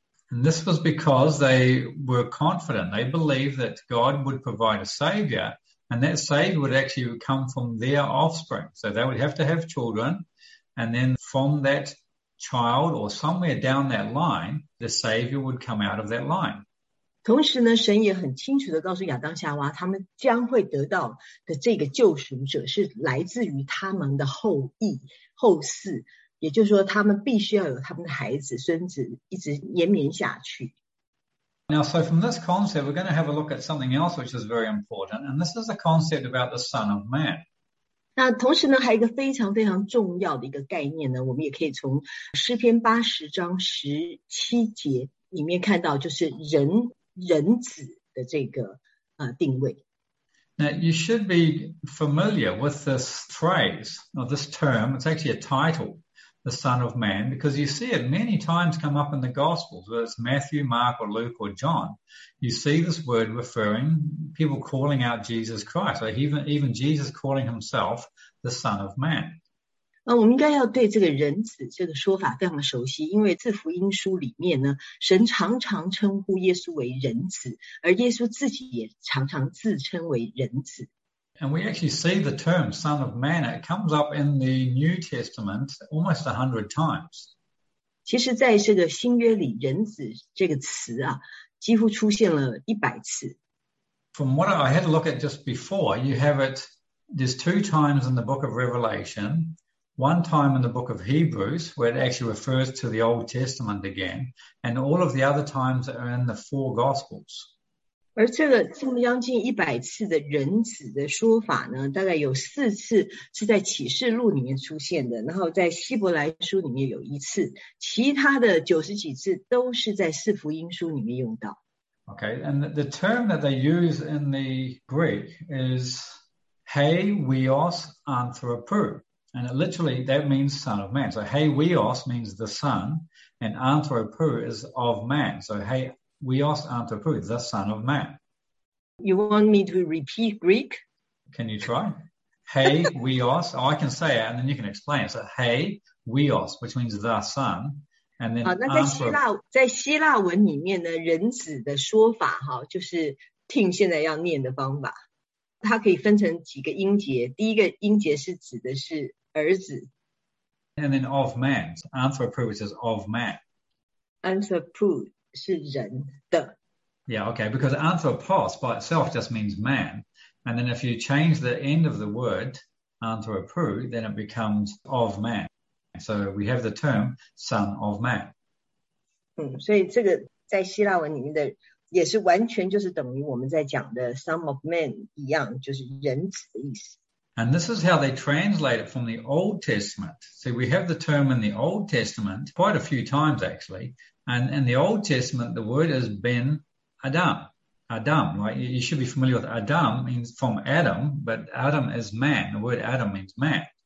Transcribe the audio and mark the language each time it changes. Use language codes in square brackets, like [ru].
[en] And this was because they were confident. They believed that God would provide a savior, and that savior would actually come from their offspring. So they would have to have children, and then from that child or somewhere down that line, the savior would come out of that line. [zh] 同时呢，神也很清楚地告诉亚当夏娃，他们将会得到的这个救赎者是来自于他们的后裔后嗣，也就是说，他们必须要有他们的孩子、孙子，一直延绵下去。 [en] Now, so from this concept, we're going to have a look at something else which is very important, and this is a concept about the Son of Man. [zh] 那同时呢，还有一个非常非常重要的一个概念呢，我们也可以从诗篇80章17节里面看到，就是人子的这个定位。 [en] Now, you should be familiar with this phrase or this term. It's actually a title. The Son of Man, because you see it many times come up in the Gospels, whether it's Matthew, Mark, or Luke, or John. You see this word referring, people calling out Jesus Christ, or even Jesus calling himself the Son of Man. [zh] 我们应该要对这个人子这个说法非常的熟悉，因为自福音书里面呢，神常常称呼耶稣为人子，而耶稣自己也常常自称为人子。 [en] And we actually see the term Son of Man, it comes up in the New Testament almost 100 times. [zh] 其实，在这个新约里，人子这个词啊，几乎出现了100次。 [en] From what I had a look at just before, you have it, there's 2 times in the book of Revelation, 1 time in the book of Hebrews, where it actually refers to the Old Testament again, and all of the other times are in the 4 Gospels. [zh] 而这么将近100次的人子的说法呢，大概有4次是在启示录里面出现的，然后在希伯来书里面有1次，其他的90几次都是在四福音书里面用到。 [en] Okay, and the term that they use in the Greek is heiweos anthropou, and it literally that means son of man. So heiweos means the son, and anthropou is of man. So heiweos anthropou, the son of man. You want me to repeat Greek? Can you try? Heiweos. Oh, I can say it, and then you can explain. So heiweos, which means the son, and then [zh] 那在希腊文里面呢，人子的说法哈，就是听现在要念的方法，它可以分成几个音节。第一个音节是指的是儿子 [en] And then of man, anthropou, which is of man. [zh] ，anthropou 是人的。 [en] Yeah, okay, because anthropos by itself just means man. And then if you change the end of the word, anthropou, then it becomes of man. So we have the term son of man. [zh] 所以这个在希腊文里面的也是完全就是等于我们在讲的 [en] "son of man" [zh] 一样，就是人子的意思。 [en] And this is how they translate it from the Old Testament. See, we have the term in the Old Testament quite a few times, actually. And in the Old Testament, the word is Ben Adam. Adam, right? You should be familiar with Adam means from Adam, but Adam is man. The word Adam means man.